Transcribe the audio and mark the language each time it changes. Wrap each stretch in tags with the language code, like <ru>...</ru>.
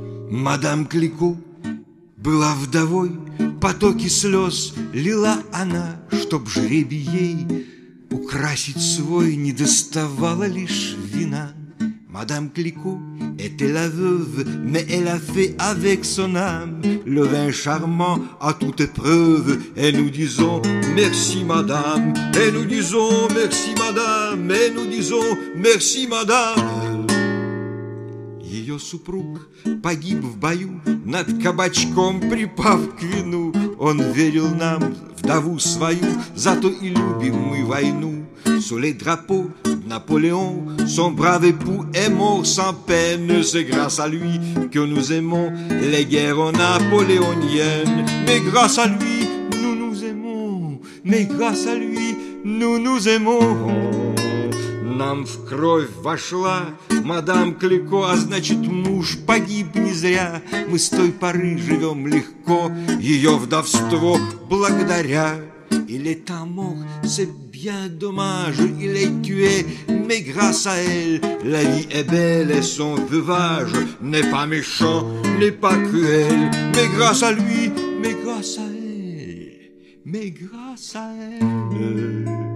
<ru>Мадам Клико была вдовой, потоки слез лила она, чтоб жребий ей украсить свой, не доставала лишь вина.</ru> <fr>Мадам Клико était la veuve, mais elle a fait avec son âme le vin charmant à toute épreuve. Et nous disons merci madame, et nous disons merci madame, et nous disons merci madame.</fr> <ru>Ее супруг погиб в бою, над кабачком припав к вину. он верил нам, вдову свою, зато и любим мы войну.</ru> <fr>Sous les drapeaux de Napoléon, son brave époux est mort sans peine. C'est grâce à lui que nous aimons les guerres napoléoniennes. Mais grâce à lui, nous nous aimons. Mais grâce à lui, nous nous aimons.</fr> <ru>Нам в кровь вошла мадам Клико, а значит, муж погиб не зря. Мы с той поры живем легко, ее вдовство благодаря.</ru> <fr>Il est amour, c'est bien dommage, il est tué, mais grâce à elle, la vie est belle et son veuvage n'est pas méchant, n'est pas cruel. Mais grâce à lui, mais grâce à elle, mais grâce à elle.</fr>